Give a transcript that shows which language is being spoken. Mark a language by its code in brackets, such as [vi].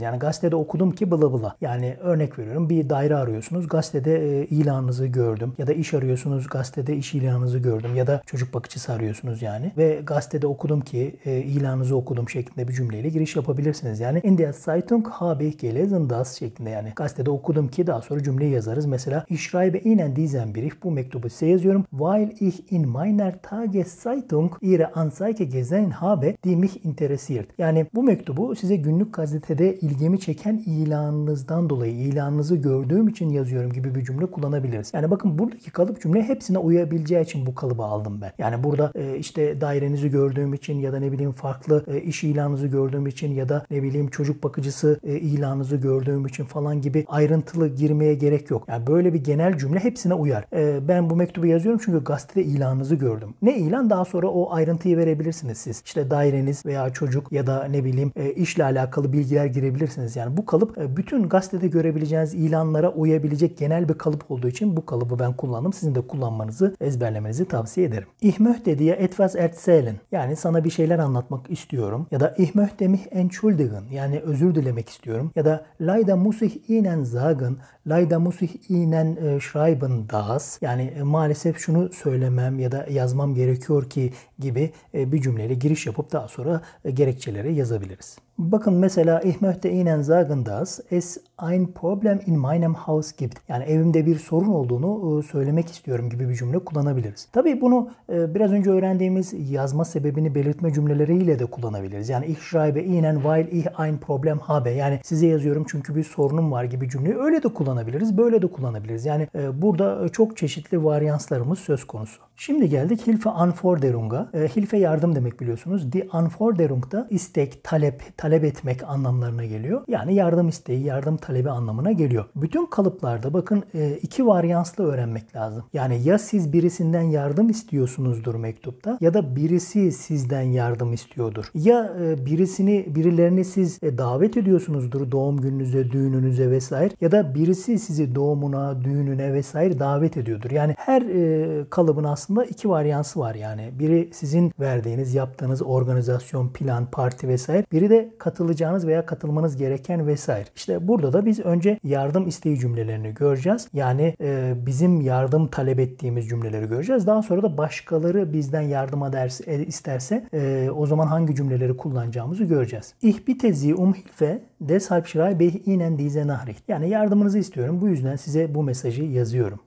[tr] Yani gazetede okudum ki bla bla. Yani örnek veriyorum, bir daire arıyorsunuz, gazetede ilanınızı gördüm. Ya da iş arıyorsunuz, gazetede iş ilanınızı gördüm. Ya da çocuk bakıcısı arıyorsunuz yani. Ve gazetede okudum ki ilanınızı okudum şeklinde bir cümleyle giriş yapabilirsiniz. Yani [de] in der Zeitung habe ich gelesen das [tr] şeklinde, yani gazetede okudum ki daha sonra cümleyi yazarız. [de] Mesela ich schreibe Ihnen diesen Brief, [tr] bu mektubu size yazıyorum. [de] Weil ich in meiner Tageszeitung Ihre Anzeige gesehen habe, die mich interessiert. [tr] Yani bu mektubu size günlük gazetede ilgimi çeken ilanınızdan dolayı, ilanınızı gördüğüm için yazıyorum gibi bir cümle kullanabiliriz. Yani bakın buradaki kalıp cümle hepsine uyabileceği için bu kalıbı aldım ben. Yani burada işte dairenizi gördüğüm için ya da ne bileyim farklı iş ilanınızı gördüğüm için ya da ne bileyim çocuk bakıcısı ilanınızı gördüğüm için falan gibi ayrıntılı girmeye gerek yok. Yani böyle bir genel cümle hepsine uyar. Ben bu mektubu yazıyorum çünkü gazetede ilanınızı gördüm. Ne ilan? Daha sonra o ayrıntıyı verebilirsiniz siz. İşte daireniz veya çocuk ya da ne bileyim işle alakalı bilgiler girebilirsiniz. Yani bu kalıp bütün gazetede görebileceğiniz ilanlara uyabilecek genel bir kalıp olduğu için bu kalıbı ben kullandım. Sizin de kullanmanızı, ezberlemenizi tavsiye ederim. [de] Ich möchte dir etwas erzählen. [tr] Yani sana bir şeyler anlatmak istiyorum. Ya da [de] ich möchte mich entschuldigen. [tr] Yani özür dilemek istiyorum. Ya da [de] leider muss ich Ihnen sagen, leider muss ich Ihnen schreiben das. [tr] Yani maalesef şunu söylemem ya da yazmam gerekiyor ki gibi bir cümleyle giriş yapıp daha sonra gerekçeleri yazabiliriz. Bakın mesela [de] ich möchte Ihnen sagen, dass es ein Problem in meinem Haus gibt. [tr] Yani evimde bir sorun olduğunu söylemek istiyorum gibi bir cümle kullanabiliriz. Tabii bunu biraz önce öğrendiğimiz yazma sebebini belirtme cümleleriyle de kullanabiliriz. [de] Yani ich schreibe Ihnen, weil ich ein Problem habe. [tr] Yani size yazıyorum çünkü bir sorunum var gibi cümleyi öyle de kullanabiliriz, böyle de kullanabiliriz. Yani burada çok çeşitli varyanslarımız söz konusu. Şimdi geldik Hilfe Anforderung'a. Hilfe yardım demek biliyorsunuz. Die Anforderung da istek, talep, talep etmek anlamlarına geliyor. Yani yardım isteği, yardım talebi anlamına geliyor. Bütün kalıplarda bakın iki varyanslı öğrenmek lazım. Yani ya siz birisinden yardım istiyorsunuzdur mektupta ya da birisi sizden yardım istiyordur. Ya birisini, birilerini siz davet ediyorsunuzdur doğum gününüze, düğününüze vesaire ya da birisi sizi doğumuna, düğününe vesaire davet ediyordur. Yani her kalıbın aslında iki varyansı var yani. Biri sizin verdiğiniz, yaptığınız organizasyon, plan, parti vesaire. Biri de katılacağınız veya katılmanız gereken vesaire. İşte burada da biz önce yardım isteği cümlelerini göreceğiz. Yani bizim yardım talep ettiğimiz cümleleri göreceğiz. Daha sonra da başkaları bizden yardıma isterse o zaman hangi cümleleri kullanacağımızı göreceğiz. [de] Ich bitte Sie um Hilfe, deshalb schreibe ich Ihnen diese Nachricht. [tr] Yani yardımınızı istiyorum. Bu yüzden size bu mesajı yazıyorum.